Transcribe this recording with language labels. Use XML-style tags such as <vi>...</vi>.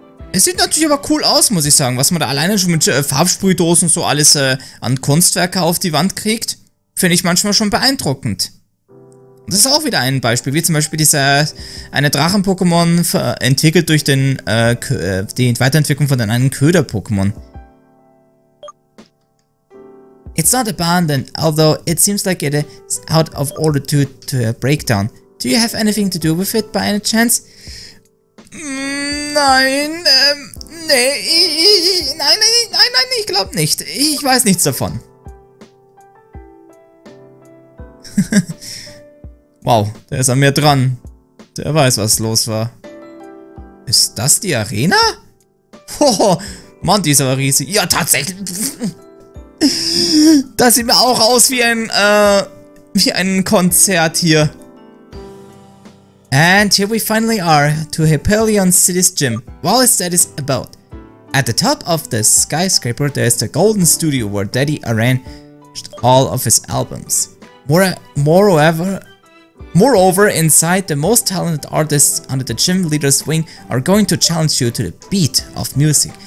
<de>Es sieht natürlich aber cool aus, muss ich sagen. Was man da alleine schon mit Farbsprühdosen so alles an Kunstwerke auf die Wand kriegt, finde ich manchmal schon beeindruckend. Das ist auch wieder ein Beispiel, wie zum Beispiel dieser eine Drachen-Pokémon entwickelt durch den die Weiterentwicklung von einem Köder-Pokémon.</de> <en>It's not abandoned, although it seems like it is out of order due to a breakdown. Do you have anything to do with it, by any chance?</en> <de>Nein, nein, ich glaube nicht. Ich weiß nichts davon. Wow, der ist an mir dran. Der weiß, was los war. Ist das die Arena? Oh, Mann, die ist aber riesig. Ja, tatsächlich. Das sieht mir auch aus wie ein Konzert hier.</de> <en>And here we finally are, to Hyperion City's gym. Wallace Daddy's abode. At the top of the skyscraper, there is the golden studio where Daddy arranged all of his albums. Moreover, inside, the most talented artists under the gym leader's wing are going to challenge you to the beat of music.</en>